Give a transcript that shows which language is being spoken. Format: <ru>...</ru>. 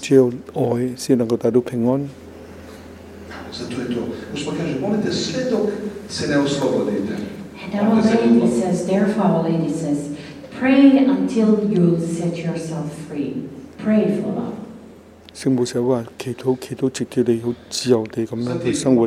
<yue>只有愛先能夠帶到平安。</yue> <en>And our lady says, therefore our lady says, pray until you set yourself free. Pray for love.</en> <yue>聖母就話：祈禱，祈禱，直到你好自由地咁樣去生活。</yue>